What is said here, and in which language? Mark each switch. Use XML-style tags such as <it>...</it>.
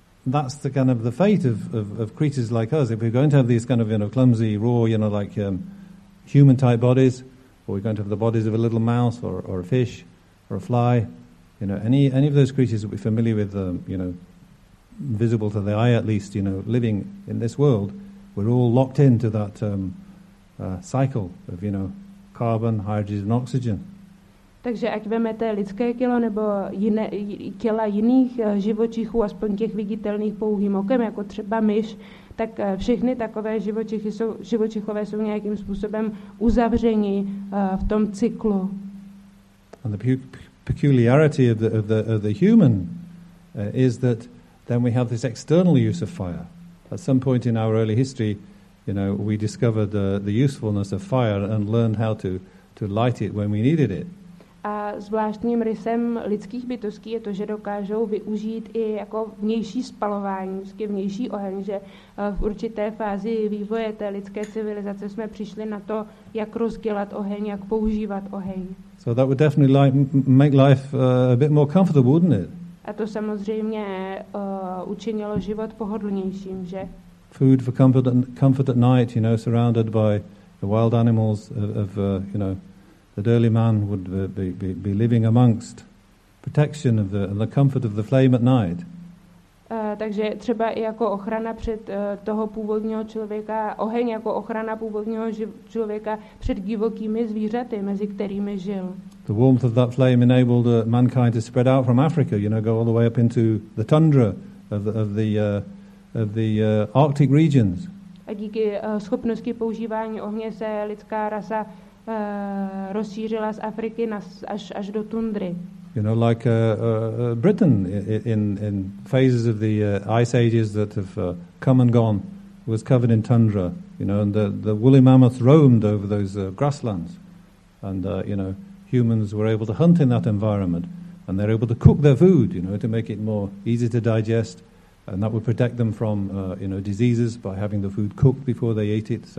<en>That's the kind of the fate of creatures like us. If we're going to have these kind of, you know, clumsy, raw, you know, like human type bodies, or we're going to have the bodies of a little mouse or a fish or a fly, you know, any of those creatures that we're familiar with, you know, visible to the eye at least, you know, living in this world, we're all locked into that cycle of, you know, carbon, hydrogen, oxygen.</en> <cs>Takže ať vezmete lidské tělo nebo jiné těla jiných živočichů, aspoň těch viditelných pouhým okem, jako třeba myš, tak všechny takové živočichové jsou nějakým způsobem uzavřeni v tom cyklu.</cs> <en>And the peculiarity of the human is that then we have this external use of fire. At some point in our early history, you know, we discovered the usefulness of fire and learned how to light it when we needed it.</en> <cs>A zvláštním rysem lidských bytostí je to, že dokážou využít i jako vnější spalování, vnější oheň, že v určité fázi vývoje té lidské civilizace jsme přišli na to, jak rozdělat oheň, jak používat oheň.</cs> <en>So that would definitely make life a bit more comfortable, wouldn't it?</en> <cs>A to samozřejmě učinilo život pohodlnějším, že?</cs> <en>Food for comfort at night, you know, surrounded by the wild animals of that early man would be living amongst, protection of the comfort of the flame at night.</en> <cs>Takže třeba i jako ochrana před toho původního člověka, oheň jako ochrana původního člověka před divokými zvířaty, mezi kterými žil.</cs> <en>The warmth of that flame enabled mankind to spread out from Africa, you know, go all the way up into the tundra of the Arctic regions.</en> <cs>A díky schopnosti používání ohně se lidská rasa rozšířila z Afriky až do tundry.</cs> <en>You know, like Britain in phases of the ice ages that have come and gone was covered in tundra, you know, and the woolly mammoths roamed over those grasslands, and you know, humans were able to hunt in that environment, and they're able to cook their food, you know, to make it more easy to digest, and that would protect them from you know, diseases by having the food cooked before they ate it.</en>